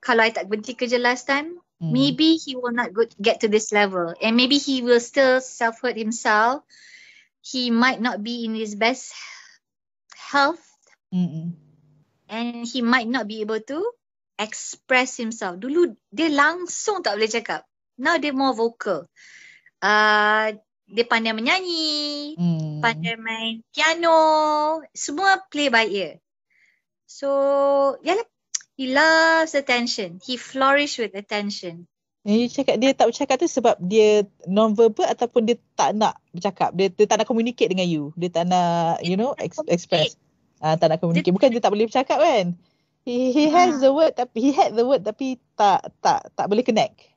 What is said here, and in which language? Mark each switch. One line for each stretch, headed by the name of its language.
Malay: Kalau I tak berhenti kerja
English: last time, maybe he will not get to this level. And maybe he will still self-hurt himself. He might not be in his best health. And he might not be able to express himself.
Malay: Dulu dia langsung tak boleh cakap.
English: Now
Malay: dia
English: more vocal.
Malay: Dia pandai menyanyi. Pandai main piano. Semua
English: play by ear. So, yalah. He loves attention. He flourish with attention.
Malay: You cakap dia tak bercakap tu sebab dia non-verbal ataupun dia tak nak bercakap? Dia tak nak communicate dengan you? Dia tak nak,
English: you know,
Malay: express? Tak nak communicate. Bukan dia tak boleh bercakap kan?
English: He has the word tapi, he had the word
Malay: tapi tak boleh
English: connect.